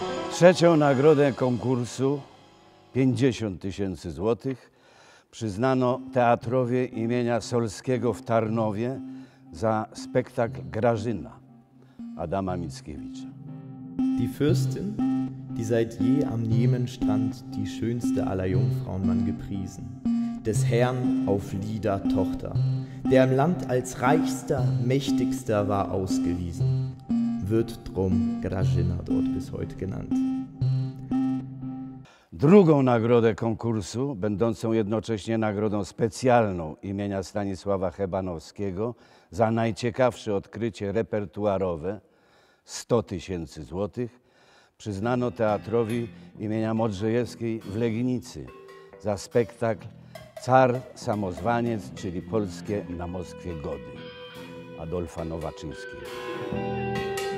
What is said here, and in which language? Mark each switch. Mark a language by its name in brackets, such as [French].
[Polish] Trzecią nagrodę konkursu, 50 tysięcy złotych, przyznano Teatrowi imienia Solskiego w Tarnowie za spektakl Grażyna Adama Mickiewicza. [German] Die Fürstin, die seit je am Niemen stand, die schönste aller Jungfrauen man gepriesen, des Herrn auf Lieder Tochter, der im Land als reichster, mächtigster war ausgewiesen, wird drum Grażyna dort bis heute genannt. [Polish] Drugą nagrodę konkursu, będącą jednocześnie nagrodą specjalną imienia Stanisława Hebanowskiego za najciekawsze odkrycie repertuarowe, 100 tysięcy złotych, przyznano Teatrowi imienia Modrzejewskiej w Legnicy za spektakl Car Samozwaniec, czyli Polskie na Moskwie Gody Adolfa Nowaczyńskiego.